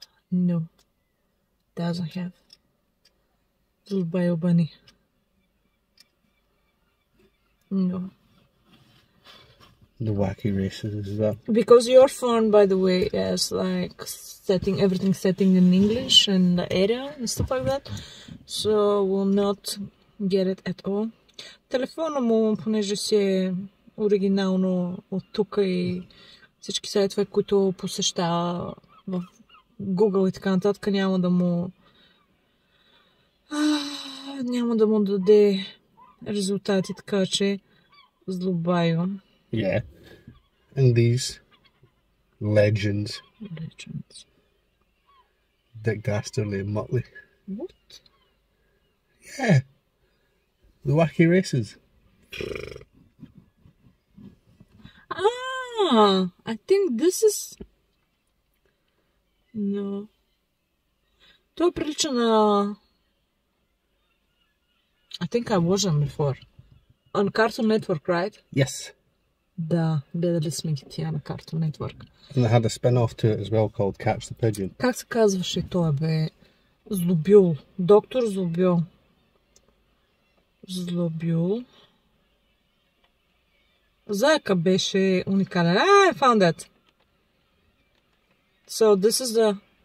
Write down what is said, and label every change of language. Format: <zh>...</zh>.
<en>No. Doesn't have little bio bunny. No. The wacky races, is that? Because your phone, by the way, is like setting everything setting in English and the area and stuff like that. So we'll not get it at all.</en> <bg>Телефона му, понеже си е оригинално от тук и всички сайтове, които посещава в Google и така нататък, няма да му. Няма да му даде резултати, така че злобайо.</bg> <en>Yeah. And these legends. Legends. Dick Dastardly and Motley. What? Yeah. The Wacky Races. Ah, I think this is... No.</en> <bg>Това прилича на...</bg> <en>I think I wasn't before. On Cartoon Network, right? Yes.</en> <bg>Да, гледали сме ги тия на Cartoon Network.</bg> <en>And they had a spin-off to it as well called Catch the Pigeon.</en> <bg>Как се казваше тоя, бе? Злобил. Доктор Злобил. Злобил. Зайка беше уникален.</bg> <en>Ah, I found that. So this is the...</en>